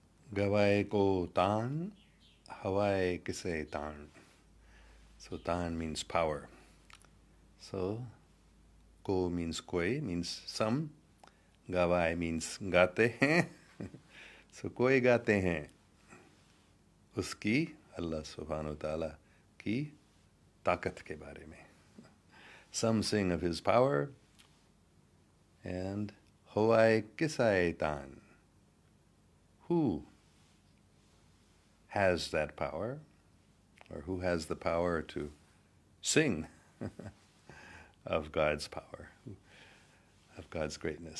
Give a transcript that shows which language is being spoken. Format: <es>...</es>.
<pa>Gavai ko tan, hawai kise tan.</pa> <en>So tan means power. So ko means koi, means some.</en> <ur>گاوے means گاتے ہیں۔ So کوئی گاتے ہیں۔ اس کی، اللہ سبحانہ و تعالیٰ، کی طاقت کے بارے میں۔</ur> <en>Some sing of his power.</en> <pa>And hawai kisai tan.</pa> <en>Who has that power, or who has the power to sing of God's power, of God's greatness.</en>